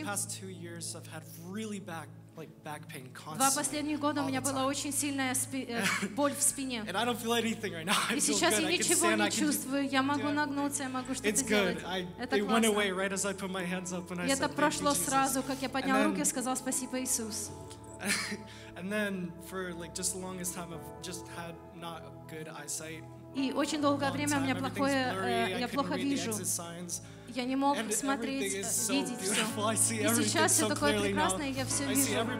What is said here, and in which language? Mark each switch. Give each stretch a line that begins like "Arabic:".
English: For the past two years, I've had really bad, like back pain constantly.
Russian: Два последних года у меня была очень сильная боль в спине.
English: And I don't feel anything right now.
Russian: И сейчас я ничего не чувствую. Я могу нагнуться, я могу что-то сделать.
English: It's good. It went away right as I put my hands up when I said
Russian: Это прошло сразу, как я поднял руки и сказал спасибо Иисус.
English: And then for like just the longest time, I've just had not good eyesight.
Russian: И очень долгое время у меня плохое, я плохо вижу. Я не мог смотреть, видеть все. И сейчас все такое прекрасное, я все вижу.